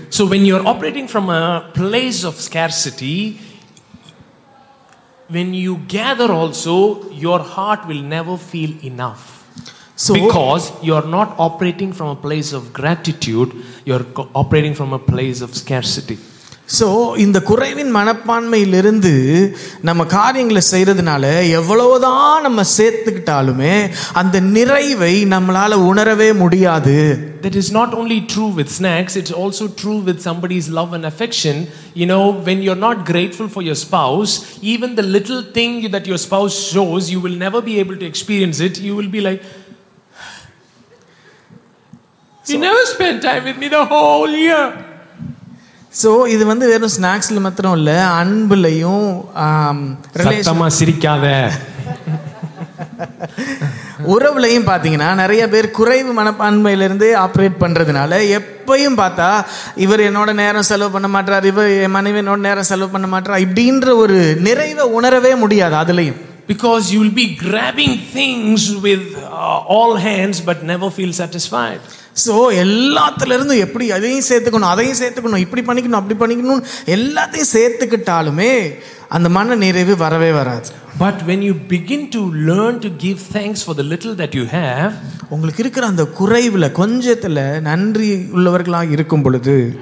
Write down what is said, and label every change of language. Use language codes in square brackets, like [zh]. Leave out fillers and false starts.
[en] So when you are operating from a place of scarcity, when you gather also, your heart will never feel enough. So because you are not operating from a place of gratitude, you are operating from a place of scarcity. [ta] So இந்த குறைவின் மனப்பான்மையிலிருந்து நம்ம காரியங்களை செய்கிறதுனால எவ்வளவுதான் நம்ம சேர்த்துக்கிட்டாலுமே அந்த நிறைவை நம்மளால் உணரவே முடியாது. [en] That is not only true with snacks, it's also true with somebody's love and affection. You know, when you're not grateful for your spouse, even the little thing that your spouse shows, you will never be able to experience it. You will be like, you never spent time with me the whole year. [ta] So இது வந்து வெறும் ஸ்நாக்ஸில் மாத்திரம் இல்லை, அன்புலையும் சத்தமாக சிரிக்காத உறவுலையும் பார்த்தீங்கன்னா நிறைய பேர் குறைவு மனப்பான்மையிலேருந்தே ஆப்ரேட் பண்ணுறதுனால எப்பையும் பார்த்தா இவர் என்னோட நேரம் செலவு பண்ண மாட்டார், இவர் என் மனைவி என்னோட நேரம் செலவு பண்ண மாட்டார் இப்படின்ற ஒரு நிறைவை உணரவே முடியாது அதுலேயும். [en] Because you will be grabbing things with all hands but never feel satisfied. [ta] So எல்லாத்துல இருந்து எப்படி அதையும் சேர்த்துக்கணும் அதையும் சேர்த்துக்கணும் இப்படி பண்ணிக்கணும் அப்படி பண்ணிக்கணும் எல்லாத்தையும் சேர்த்துக்கிட்டாலுமே அந்த மன நிறைவு வரவே வராது. [en] But when you begin to learn to give thanks for the little that you have, [ta] உங்களுக்கு இருக்கிற அந்த குறைவுல கொஞ்சத்துல நன்றி உள்ளவர்களாக இருக்கும் பொழுது